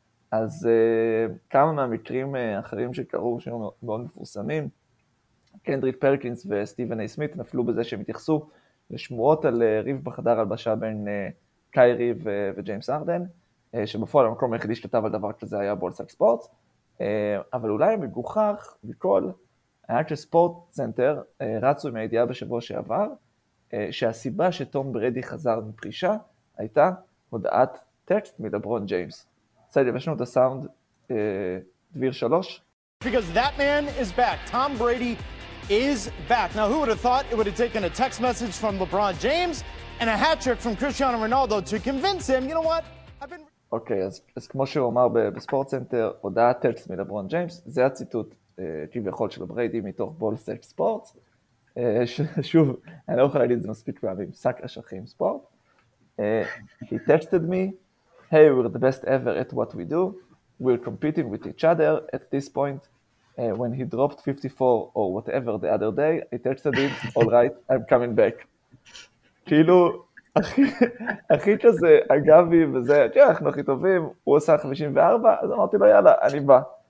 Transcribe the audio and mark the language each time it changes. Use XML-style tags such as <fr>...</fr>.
<he>אז כמה מהמקרים אחרים שקרו, שהיו מאוד מפורסמים, קנדריק פרקינס וסטיבן אי סמית, נפלו בזה שהם התייחסו, לשמועות על ריב בחדר הלבשה בין קיירי וג'יימס ארדן, שבפועל המקום היחידי שכתב על דבר כזה היה בולסאק ספורטס, אבל אולי מגוחך בכל, היה כשספורט צנטר רצו עם הידיעה בשבוע שעבר, שהסיבה שטום ברדי חזר מפרישה, הייתה הודעת טקסט מלברון ג'יימס. צייד, יש לנו את הסאונד דביר שלוש.</he> <en>Because that man is back, Tom Brady is back. Now who would have thought it would have taken a text message from LeBron James and a hat trick from Cristiano Ronaldo to convince him, you know what?</en> <he>אוקיי, אז כמו שהוא אמר בספורט סנטר, הודעה טקסט מלברון ג'יימס, זה הציטוט כביכול של בריידי מתוך בולסאק ספורטס, ששוב, אני לא יכול להגיד את זה מספיק פעמים, שק אשכים ספורט.</he> <en>He texted me, hey, we're the best ever at what we do, we're competing with each other at this point. When he dropped 54 or whatever the other day, I texted him, all right, I'm coming back.</en> <he>כאילו, הכי כזה, אגבי וזה, תראה, אנחנו הכי טובים, הוא עושה 54, אז אמרתי לו, יאללה, אני בא.</he>